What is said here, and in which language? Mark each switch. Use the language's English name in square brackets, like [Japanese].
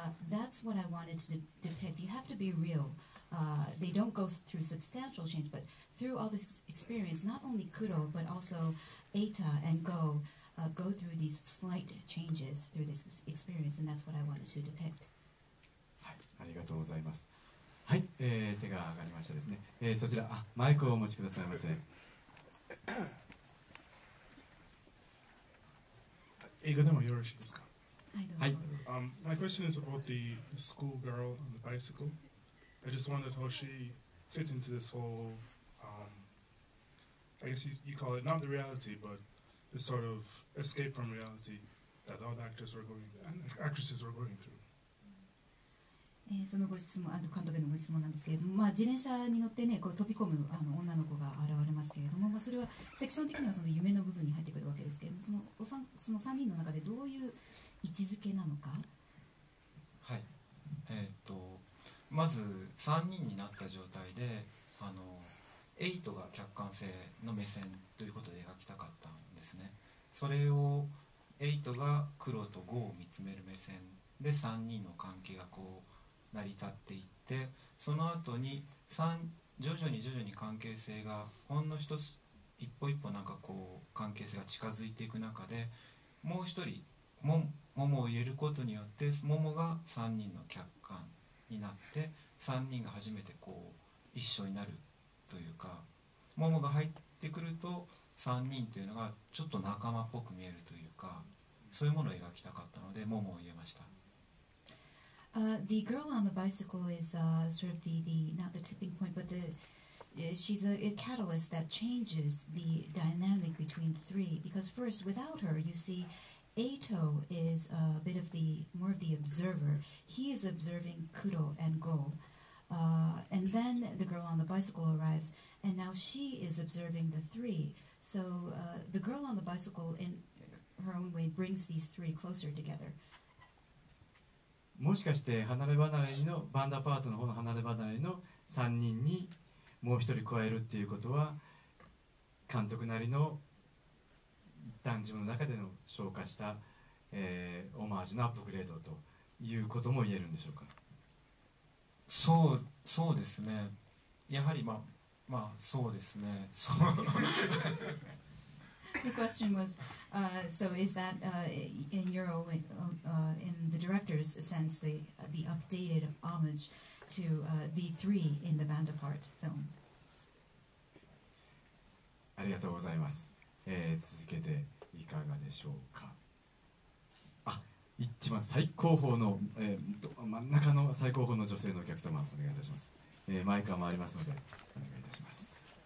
[English] That's what I wanted to depict. You have to be real. They don't go through substantial change, but through all this experience, not only Kuro, but also Eita and Go go through these slight changes through this experience, and that's what I wanted to depict. [Japanese] ありがとうございます。はい、手が上がりましたですね。そちら、あ、マイクをお持ちくださいませ。映画でもよろしいですか。はい。 [English] My question is about the school girl on the bicycle. I just wondered how she fit into this whole, I guess you call it not the reality, but the sort of escape from reality that all the actors were going and actresses were going through. [Japanese] そのご質問、あの監督へのご質問なんですけれども、まあ、自転車に乗って、ね、こう飛び込むあの女の子が現れますけれども、まあ、それはセクション的にはその夢の部分に入ってくるわけですけれども、その3人の中でどういう位置づけなのか。はい、まず3人になった状態で、あのエイトが客観性の目線ということで描きたかったんですね。それをエイトが黒とゴーを見つめる目線で3人の関係がこう成り立っていって、その後に徐々に関係性がほんの一つ一歩一歩なんかこう関係性が近づいていく中で、もう一人ももを入れることによって、ももが3人の客観になって3人が初めてこう一緒になるというか、ももが入ってくると3人というのがちょっと仲間っぽく見えるというか、そういうものを描きたかったのでももを入れました。 [English] The girl on the bicycle is sort of the not the tipping point, but she's a catalyst that changes the dynamic between the three. Because first, without her, you see, Eito is a bit of the more of the observer. He is observing Kuro and Go, and then the girl on the bicycle arrives, and now she is observing the three. So the girl on the bicycle, in her own way, brings these three closer together. [Japanese] もしかして離れ離れのバンダパートの方の離れ離れの3人にもう一人加えるっていうことは、監督なりの一旦自分の中での消化した、オマージュのアップグレードということも言えるんでしょうか。そうですね、やはりまあそうですね。そう [English] The question was, so is that in your own, in the director's sense, the updated homage to the three in the Band Apart film? [Japanese] ありがとうございます。続けていかがでしょうか。あ、一番最高峰の、真ん中の最高峰の女性のお客様、お願いいたします。マイクは回りますので、お願いいたします。